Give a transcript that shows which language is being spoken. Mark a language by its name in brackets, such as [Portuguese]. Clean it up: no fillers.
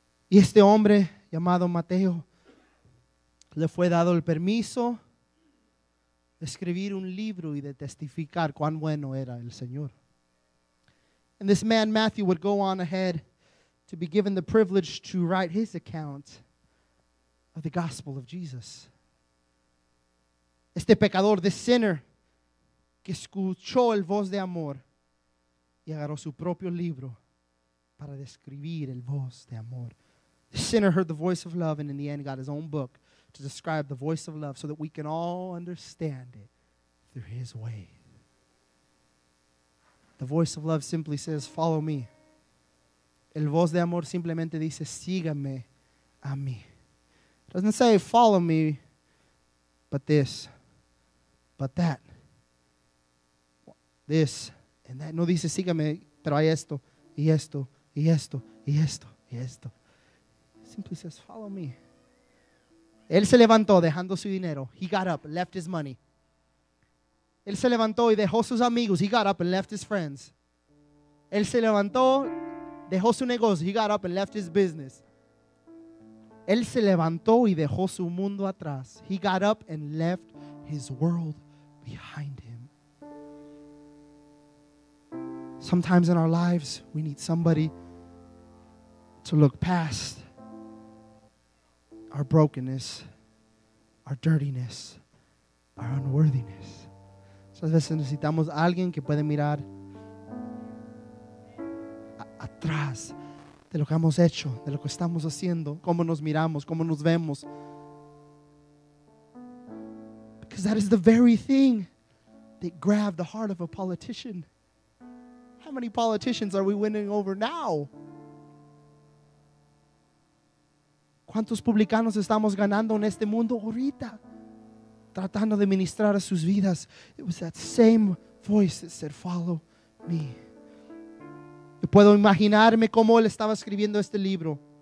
[Spanish] Y este hombre llamado Mateo le fue dado el permiso escribir un libro y de testificar cuán bueno era el Señor. [English] And this man Matthew would go on ahead to be given the privilege to write his account of the gospel of Jesus. [Spanish] Este pecador, [English] this sinner, [Spanish] que escuchó el voz de amor y agarró su propio libro para describir el voz de amor. [English] The sinner heard the voice of love and in the end got his own book to describe the voice of love so that we can all understand it through his way. The voice of love simply says, follow me. [Spanish] El voz de amor simplemente dice, sígame a mí. [English] It doesn't say, follow me, but this, but that, this, and that. [Spanish] No dice, sígame, pero hay esto, y esto, y esto, y esto, y esto. [English] Simply says, follow me. [Spanish] Él se levantó dejando su dinero. [English] He got up and left his money. [Spanish] Él se levantó y dejó sus amigos. [English] He got up and left his friends. [Spanish] Él se levantó, dejó su negocio. [English] He got up and left his business. [Spanish] Él se levantó y dejó su mundo atrás. [English] He got up and left his world behind him. Sometimes in our lives, we need somebody to look past our brokenness, our dirtiness, our unworthiness. [Spanish] Muchas veces necesitamos a alguien que puede mirar atrás de lo que hemos hecho, de lo que estamos haciendo, cómo nos miramos, cómo nos vemos. [English] Because that is the very thing that grabbed the heart of a politician. How many politicians are we winning over now? [Spanish] ¿Cuántos publicanos estamos ganando en este mundo ahorita? Tratando de ministrar a sus vidas. [English] It was that same voice that said, follow me. [Spanish] Yo puedo imaginarme cómo él estaba escribiendo este libro.